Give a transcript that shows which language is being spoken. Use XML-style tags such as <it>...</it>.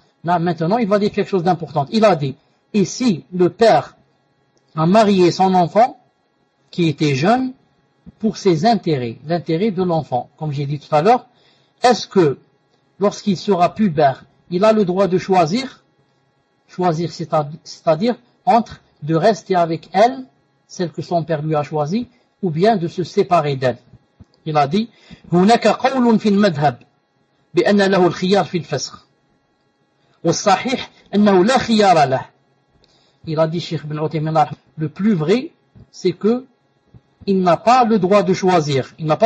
<fr>Nam, maintenant il va dire quelque chose d'important. Il a dit, et si le père a marié son enfant qui était jeune, pour ses intérêts, l'intérêt de l'enfant. Comme j'ai dit tout à l'heure, est-ce que lorsqu'il sera pubère, il a le droit de choisir, c'est-à-dire entre de rester avec elle, celle que son père lui a choisie, ou bien de se séparer d'elle. Il a dit,</fr> <ar>هناك قول في المذهب بأن له الخيار في الفسخ والصحيح أنه لا خيار له.</ar> <fr>Il a dit, Cheikh Ibn Uthaymeen, le plus vrai, c'est que il n'a pas le droit de choisir.</fr>